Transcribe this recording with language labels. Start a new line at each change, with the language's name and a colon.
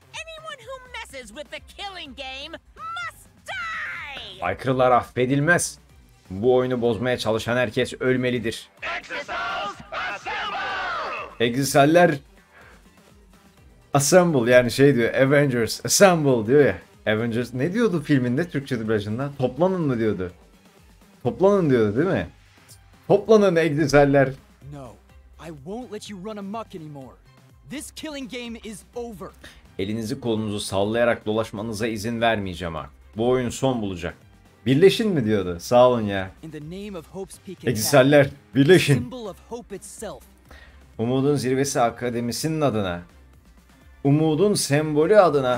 English: Anyone who messes with the killing game must die.
Turkish: Aykırılar affedilmez. Bu oyunu bozmaya çalışan herkes ölmelidir. Exiles Assemble, yani şey diyor, Avengers Assemble diyor ya. Avengers ne diyordu filminde Türkçe dublajında? Toplanın mı diyordu? Toplanın diyordu değil mi? Toplanın Exiles'ler.
English: No. I won't let you run amok anymore. This killing game is over.
Turkish: Elinizi kolunuzu sallayarak dolaşmanıza izin vermeyeceğim ha. Bu oyun son bulacak. Birleşin mi diyordu? Sağ olun ya. Exiles'ler birleşin.
English: Symbol of hope itself.
Turkish: Umudun Zirvesi Akademisi'nin adına, umudun sembolü adına.